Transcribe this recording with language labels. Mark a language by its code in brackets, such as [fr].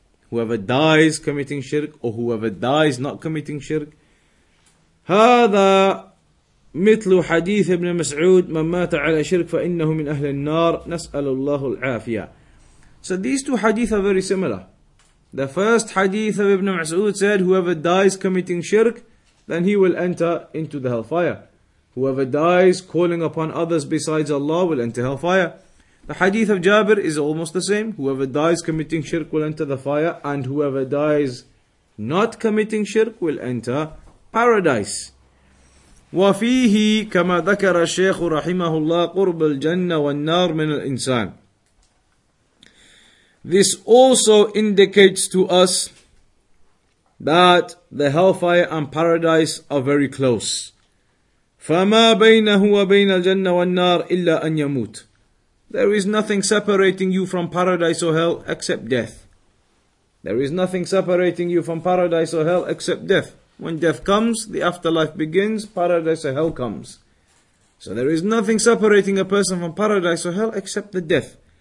[en] whoever dies committing Shirk, [ar] or whoever dies not committing Shirk, هَذَا مثل حديث ابن مسعود من مات على شرك فإنه من أهل النار نسأل الله العافية. [en] So these two hadith are very similar. The first hadith of Ibn Mas'ud said, whoever dies committing shirk, then he will enter into the hellfire. Whoever dies calling upon others besides Allah will enter hellfire. The hadith of Jabir is almost the same. Whoever dies committing shirk will enter the fire, and whoever dies not committing shirk will enter paradise. [ar] وفيه كما ذكر الشيخ رحمه الله قرب الجنة والنار من الإنسان. [en] This also indicates to us that the hellfire and paradise are very close. [ar] فما بينه وبين الجنة والنار إلا أن يموت. [en] There is nothing separating you from paradise or hell except death. There is nothing separating you from paradise or hell except death. When death comes, the afterlife begins, paradise or hell comes. So there is nothing separating a person from paradise or hell except the death.